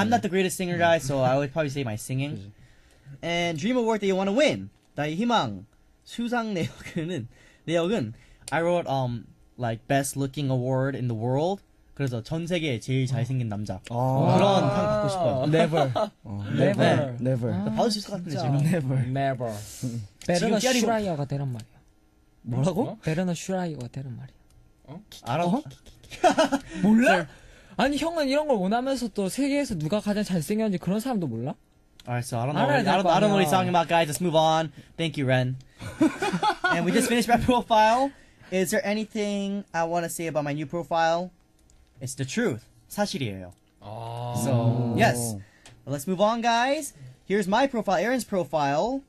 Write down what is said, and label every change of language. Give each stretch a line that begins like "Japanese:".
English: I'm not the greatest singer guy, so I would probably say my singing.
Korean: 그치.
English: And dream award that you want to win,
Korean: 나의 희망 수상 내역은
English: I wrote like best looking award in the world.
Korean: 그래서 전 세계 제일 잘생긴 남자 그런 상 받고 싶어요.
English: Never, never,
Korean: 네.
English: never.
Korean: 받을 수 있을 것 같은데 지금.
English: Never, never.
Korean: 베르너 슈라이어가 되란 말이야. 뭐라고? 베르너 슈라이어가 되란 말이야. 알아? 몰라? 아니 형은 이런 걸 원하면서 또 세계에서 누가 가장 잘생겼는지 그런 사람도 몰라?
English: Alright, so I don't know what he's talking about, guys. Let's move on. Thank you, Ren. And we just finished my profile. Is there anything I want to say about my new profile? It's the truth.
Korean: 사실이에요.
English: So, yes. Let's move on, guys. Here's my profile, Aaron's profile.